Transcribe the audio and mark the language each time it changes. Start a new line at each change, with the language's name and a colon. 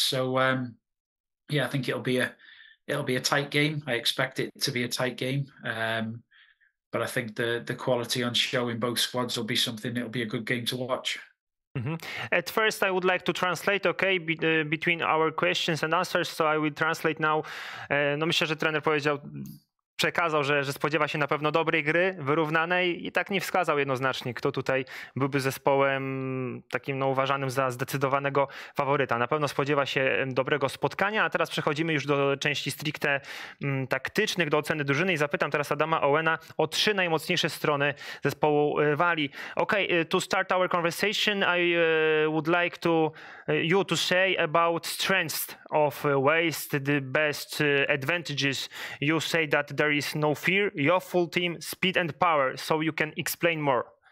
English: So yeah, I think it'll be a tight game. I expect it to be a tight game, but I think the quality on show in both squads will be something. It'll be a good game to watch. Mm-hmm. At first, I would like to translate, okay, between our questions and answers, so I will translate now.
Polish: No myślę, że trener przekazał, że spodziewa się na pewno dobrej gry, wyrównanej i tak nie wskazał jednoznacznie, kto tutaj byłby zespołem takim uważanym za zdecydowanego faworyta. Na pewno spodziewa się dobrego spotkania, a teraz przechodzimy już do części stricte taktycznych, do oceny drużyny i zapytam teraz Adama Owena o 3 najmocniejsze strony zespołu Walii.
English: Okay, to start our conversation, I would like to you to say about strengths of Wales, the best advantages. You say that there is no fear, your full team, speed and power. So you can explain more.